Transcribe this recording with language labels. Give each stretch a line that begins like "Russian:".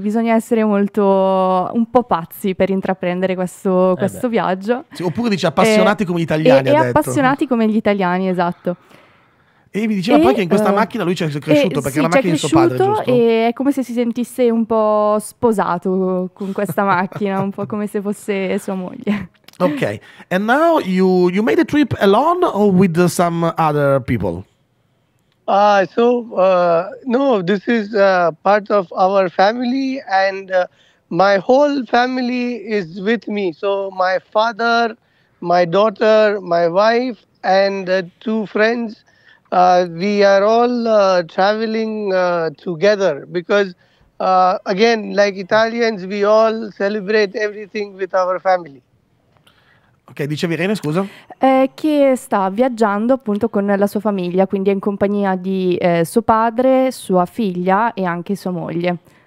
Italian: Bisogna essere molto un po' pazzi per intraprendere questo viaggio. Sì, oppure dice appassionati come gli italiani. E appassionati come gli italiani, esatto. E mi diceva poi che in questa macchina lui ci è cresciuto, perché sì, la macchina è suo padre, giusto? E è come se si sentisse un po' sposato con questa macchina, un po' come se fosse sua moglie.
English: Ok, and now you made a trip alone or with some other people? This is part of our family, and my whole family is with me. So my father, my daughter, my wife, and two friends. We are all traveling together because, again, like Italians, we all celebrate everything with our family.
Italian: Ok, dicevi Irene, scusa? Che sta viaggiando appunto con la sua famiglia, quindi è in compagnia di suo padre, sua figlia e anche sua moglie.